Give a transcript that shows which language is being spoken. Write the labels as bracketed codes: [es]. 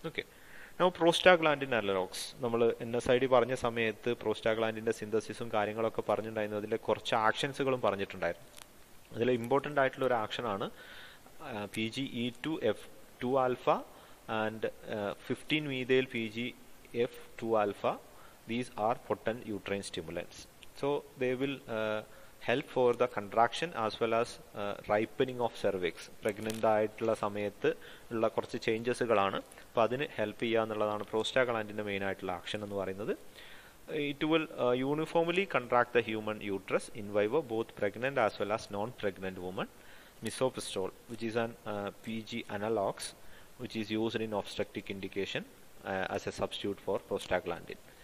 [ml] Okay, നമ്മൾ prostaglandin analogues നമ്മൾ NSAID പറഞ്ഞ സമയത്ത് പ്രോസ്റ്റാഗ്ലാൻഡിൻ്റെ സിന്തസിസും കാര്യങ്ങളൊക്കെ പറഞ്ഞിട്ടുണ്ടായിരുന്നു. അതിൻ്റെ കുറച്ച് ആക്ഷൻസുകളും പറഞ്ഞിട്ടുണ്ടായിരുന്നു. അതിൽ ഇമ്പോർട്ടൻ്റ് ആയിട്ടുള്ള ഒരു ആക്ഷനാണ് PGE2F2 alpha and 15-methyl PGF2 alpha. [en] These are potent uterine stimulants. So they will help for the contraction as well as ripening of cervix. [ml] Pregnant ആയിട്ടുള്ള സമയത്ത് ഉള്ള കുറച്ച് ചേഞ്ചസുകളാണ്, അപ്പോൾ അതിന് ഹെൽപ്പ് ചെയ്യുക എന്നുള്ളതാണ് പ്രോസ്റ്റാഗ്ലാൻഡിൻ്റെ മെയിൻ ആയിട്ടുള്ള ആക്ഷൻ എന്ന് പറയുന്നത്. [en] It will uniformly contract the human uterus in vivo both pregnant as well as non pregnant woman. Misoprostol, which is an PG analogues which is used in obstetric indication as a substitute for prostaglandin.